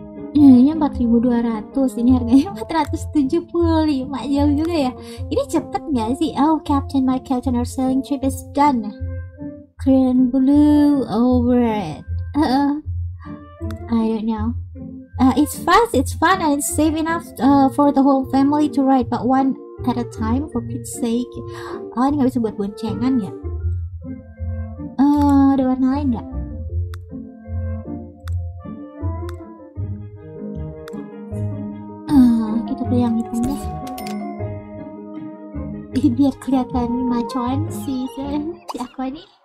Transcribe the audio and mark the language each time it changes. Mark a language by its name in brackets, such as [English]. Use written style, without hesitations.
[Indonesian] Harganya 4.200, ini harganya 475, jauh juga ya. Ini cepet gak sih? [English] Oh, Captain, my captain, our sailing trip is done. Clear and blue over it. I don't know. It's fast, it's fun, and it's safe enough for the whole family to ride, but one at a time, for Pete's sake. [Indonesian] Oh, ini gak bisa buat boncengan ya? Ada warna lain gak? Yang itu deh, biar kelihatan macoan sih si aku ini.